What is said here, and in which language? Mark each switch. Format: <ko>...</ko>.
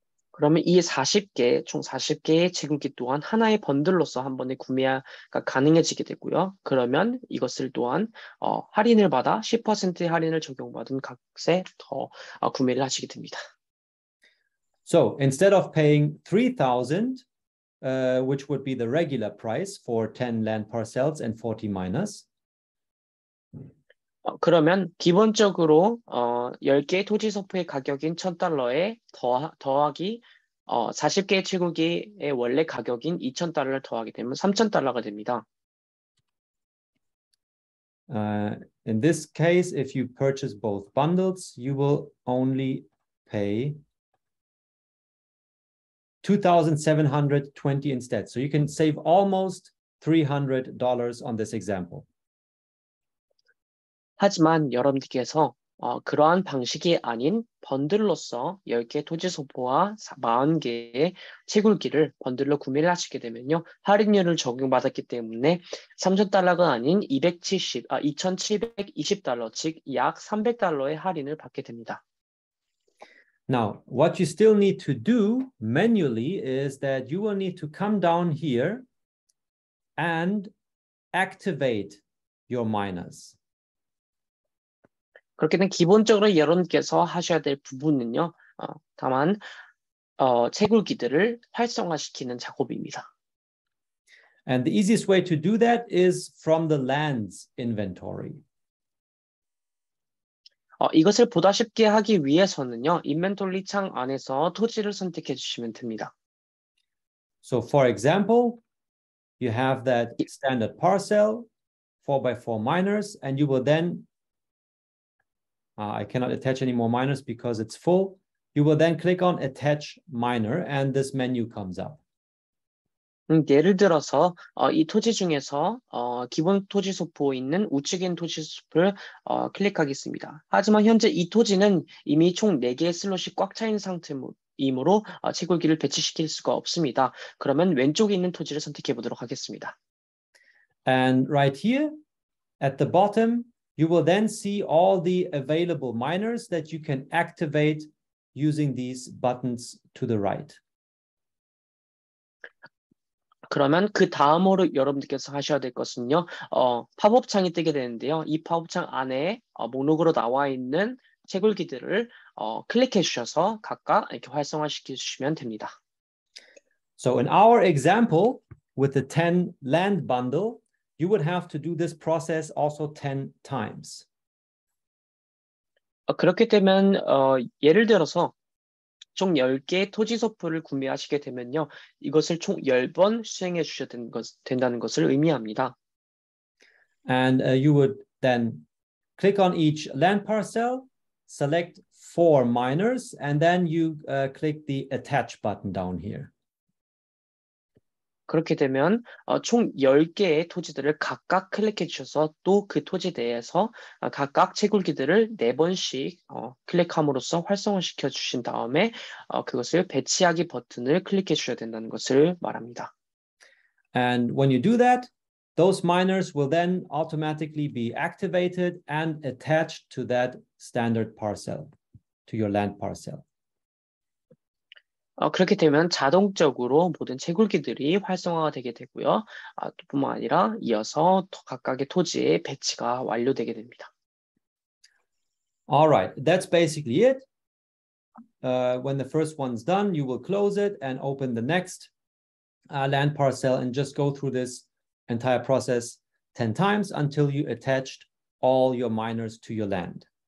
<ko>그러면 이 40개의 채굴기 또한 하나의 번들로서 한 번에 구매가 가능해지게 되고요. 그러면 이것을 또한 할인을 받아 10% 할인을 적용받은 값에 더 구매를 하시게 됩니다.</ko> <en>So instead of paying 3,000, which would be the regular price for 10 land parcels and 40 miners.</en> <ko>그러면 기본적으로 10개의 토지 소포의 가격인 $1,000에 더하기 40개의 채굴기의 원래 가격인 $2,000 더하게 되면 $3,000가 됩니다.</ko> <en>In this case, if you purchase both bundles, you will only pay 2,720 instead. So you can save almost $300 on this example.</en> <ko>하지만 여러분들께서 그러한 방식이 아닌 번들로서 10개 토지 소포와 40개의 채굴기를 번들로 구매를 하시게 되면요. 할인율을 적용받았기 때문에 $3,000가 아닌 2,720달러, 즉 약 $300의 할인을 받게 됩니다.</ko> <en>Now, what you still need to do manually is that you will need to come down here and activate your miners.</en> <ko>그렇게는 기본적으로 여러분께서 하셔야 될 부분은요. 다만 채굴기들을 활성화시키는 작업입니다.</ko> <en>And the easiest way to do that is from the lands inventory.</en> <ko>이것을 보다 쉽게 하기 위해서는요. 인벤토리 창 안에서 토지를 선택해 주시면 됩니다.</ko> <en>So for example, you have that standard parcel 4x4 miners and you will then I cannot attach any more miners because it's full. You will then click on attach miner and this menu comes up.</en> <ko>예를 들어서 이 토지 중에서 기본 토지 소포 있는 우측인 토지 소포를 클릭하겠습니다. 하지만 현재 이 토지는 이미 총 4개의 슬롯이 꽉 차 있는 상태이므로 채굴기를 배치시킬 수가 없습니다. 그러면 왼쪽에 있는 토지를 선택해 보도록 하겠습니다.</ko> <en>And right here at the bottom you will then see all the available miners that you can activate using these buttons to the right.</en> <ko>그러면 그 다음으로 여러분들께서 하셔야 될 것은요. 팝업창이 뜨게 되는데요. 이 팝업창 안에 목록으로 나와 있는 채굴기들을 클릭해 주셔서 각각 이렇게 활성화시키시면 됩니다.</ko> <en>So in our example with the 10 land bundle, you would have to do this process also 10 times.</en> <ko>그렇게 되면 예를 들어서 총 10개의 토지 소포를 구매하시게 되면요. 이것을 총 10번 수행해 주셔야 된다는 것을 의미합니다.</ko> <en>And you would then click on each land parcel, select 4 miners, and then you click the attach button down here.</en> <ko>그렇게 되면 총 10개의 토지들을 각각 클릭해 주셔서 또 그 토지에 대해서 각각 채굴기들을 4번씩 클릭함으로써 활성화시켜 주신 다음에 그것을 배치하기 버튼을 클릭해 주셔야 된다는 것을 말합니다.</ko> <en>And when you do that, those miners will then automatically be activated and attached to that standard parcel, to your land parcel.</en> <ko>그렇게 되면 자동적으로 모든 채굴기들이 활성화가 되게 되고요. 뿐만 아니라 이어서 각각의 토지의 배치가 완료되게 됩니다.</ko> <en>All right, that's basically it. When the first one's done, you will close it and open the next land parcel and just go through this entire process 10 times until you attached all your miners to your land.</en>